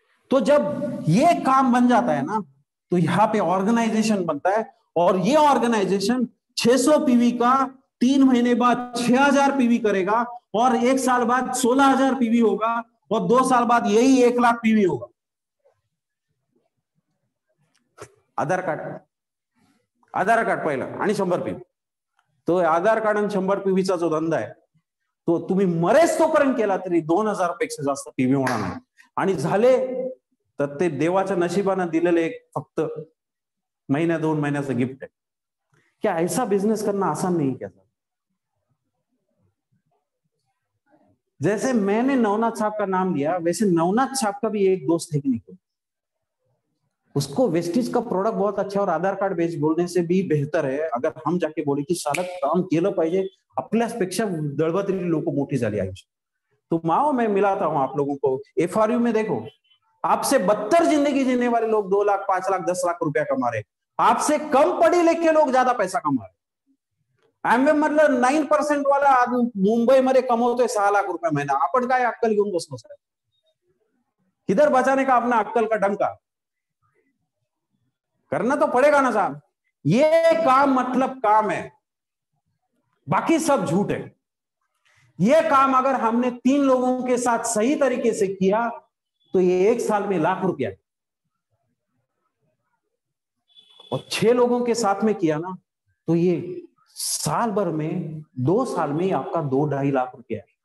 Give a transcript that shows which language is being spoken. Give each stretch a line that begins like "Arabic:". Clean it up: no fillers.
Hindi: तो जब ये काम बन जाता है ना, तो यहां पे ऑर्गेनाइजेशन बनता है, और ये ऑर्गेनाइजेशन 600 पीवी का 3 महीने बाद 6000 पीवी करेगा, और 1 साल बाद 16000 पीवी होगा, और 2 साल बाद यही 1 लाख पीवी होगा।
Marathi: आधार कार्ड पहिलं आणि 100 पीवी। तो आधार कार्ड आणि 100 पीवीचा जो धंदा आहे, तो तुम्ही मरेस तोपर्यंत केला तरी 2000 पेक्षा जास्त पीवी होणार नाही। आणि झाले तर ते देवाच्या नशिबाने दिलेले एक फक्त महिन्या 2 महिन्याचं गिफ्ट आहे।
Hindi: क्या ऐसा बिजनेस करना आसान नहीं क्या सर? जैसे मैंने नवनाथ साहब का नाम लिया, वैसे नवनाथ साहब का भी एक दोस्त है कि नहीं? उसको वेस्टीज का प्रोडक्ट बहुत अच्छा है, और आधार कार्ड बेच बोलने से भी बेहतर है अगर हम जाके बोले कि
Marathi: सारा काम केलं पाहिजे, आपल्यापेक्षा दळवतरी लोक मोठी झाली आहे।
Hindi: तो माओ मैं मिलाता हूं आप लोगों को, FRU में देखो, आपसे बदतर जिंदगी जीने वाले लोग 2 लाख 5 लाख 10 लाख रुपया कमा रहे, आपसे कम पढ़े लिखे लोग ज्यादा पैसा कमा रहे।
Marathi: एमवे मतलब 9% वाला मुंबई मध्ये कमवतो 6 लाख रुपये महिना, आपण काय अक्कल घेऊन बसलो साहेब?
Hindi: किधर बचाने का अपना अक्कल का डंका, करना तो पड़ेगा ना साहब। ये काम मतलब काम है, बाकी सब झूठ है। ये काम अगर हमने 3 लोगों के साथ सही तरीके से किया तो ये 1 साल में 1 लाख रुपया, और 6 लोगों के साथ में किया ना तो ये साल भर में 2 साल में आपका 2-2.5 लाख रुपया।